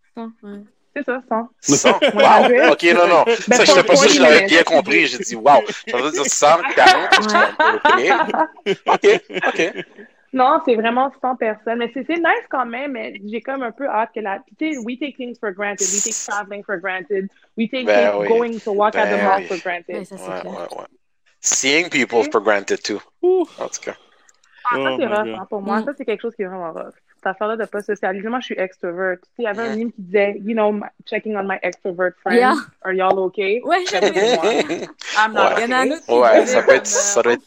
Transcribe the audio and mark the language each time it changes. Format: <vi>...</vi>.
<fr>100, C'est ça, 100. 100? Wow. OK, non. Ben, ça, je sais pas si je l'avais bien compris. J'ai dit, wow. Je vais te dire 100, 40. OK. Non, c'est vraiment 100 personnes. Mais c'est nice quand même, mais j'ai comme un peu hâte que la... Tu sais,</fr> <en>we take things for granted. We take traveling for granted. We take going to walk at the mall for granted.</en> <fr>Ouais,</fr> <en>Seeing people for granted, too. Ouh.</en> <fr>En tout cas. Ah, ça, c'est rough, hein, pour moi. Mm. Ça, c'est quelque chose qui est vraiment rough. Cette affaire-là de pas socialiser. Moi, je suis extrovert. Tu sais, il y avait un meme qui disait,</fr> <en>you know, checking on my extrovert friends. Yeah. Are y'all okay?</en> <fr>Ouais, j'avais moi. Ouais. Il y en a un autre. Ouais, ça peut être. Ça doit être...</fr>